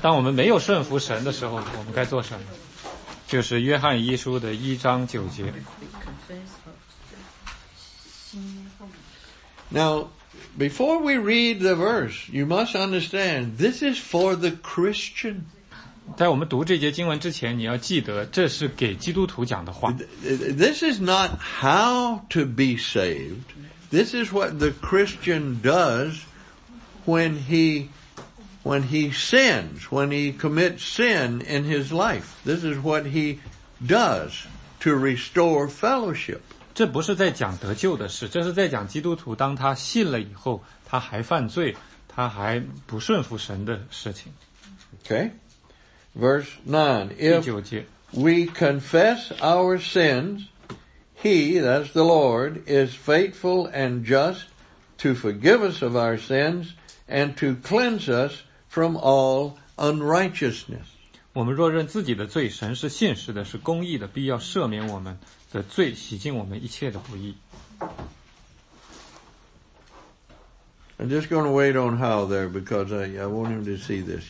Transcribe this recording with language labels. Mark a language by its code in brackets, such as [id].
[zh] 当我们没有顺服神的时候，我们该做什么？就是约翰一书的一章九节。 [en] Now, before we read the verse, you must understand, this is for the Christian. [zh] 在我们读这节经文之前，你要记得，这是给基督徒讲的话。 [en] This is not how to be saved. This is what the Christian does when he sins, when he commits sin in his life. This is what he does to restore fellowship. [zh] 这不是在讲得救的事，这是在讲基督徒当他信了以后，他还犯罪，他还不顺服神的事情。 [en] Okay. Verse 9, if we confess our sins, He, that's the Lord, is faithful and just to forgive us of our sins and to cleanse us from all unrighteousness. [zh] 我们若认自己的罪，神是信实的，是公义的，必要赦免我们的罪，洗净我们一切的不义。 [en] I'm just going to wait on Hal there because I want him to see this.